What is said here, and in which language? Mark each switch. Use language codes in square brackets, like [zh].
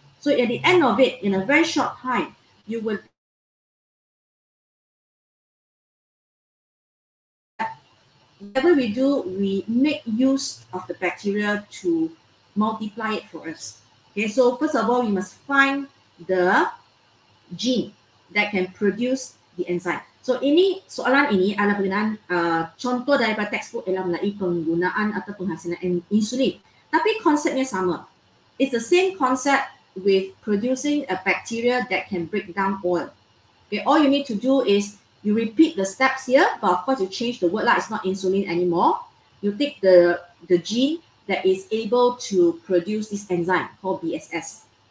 [en] So at the end of it, in a very short time, you will whatever we do, we make use of the bacteria to multiply it for us. Okay, so first of all, we must find the gene that can produce the enzyme. [ms] So ini soalan ini adalah berkenaan contoh daripada textbook ialah melalui penggunaan atau penghasilan insulin. Tapi konsepnya sama. [en] It's the same concept with producing a bacteria that can break down oil. Okay, all you need to do is you repeat the steps here, but of course you change the word lah. It's not insulin anymore. You take the gene that is able to produce this enzyme called BSS.